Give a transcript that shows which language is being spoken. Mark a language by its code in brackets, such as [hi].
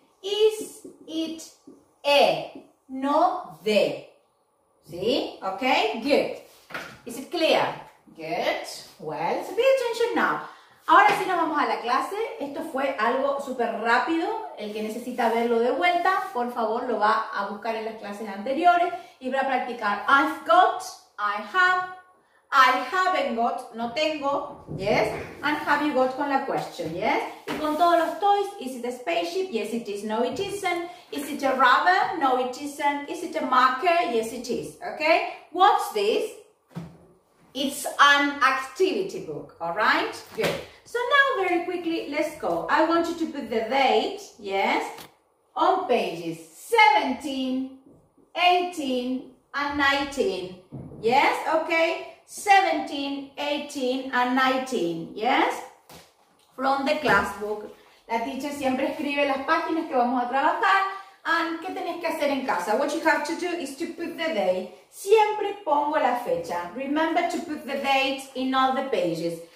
[en] Is it a, no the. ¿Sí? Ok, good. Is it clear? Good. Well, so pay attention now. [es] Ahora sí nos vamos a la clase. Esto fue algo súper rápido. El que necesita verlo de vuelta, por favor, lo va a buscar en las clases anteriores y va a practicar. [en] I've got, I have, I haven't got, [es] no tengo, [en] yes, and have you got [es] con la [en] question, yes. [es] Y con todos los [en] toys, is it a spaceship? Yes, it is. No, it isn't. Is it a rubber? No, it isn't. Is it a marker? Yes, it is. Okay, what's this? It's an activity book, all right? Good. So now, very quickly, let's go. I want you to put the date, yes, on pages 17, 18, and 19. Yes, okay? 17, 18 and 19. Yes? From the class book. [es] La teacher siempre escribe las páginas que vamos a trabajar. And ¿qué tenés que hacer en casa? [en] What you have to do is to put the date. [es] Siempre pongo la fecha. [en] Remember to put the date in all the pages.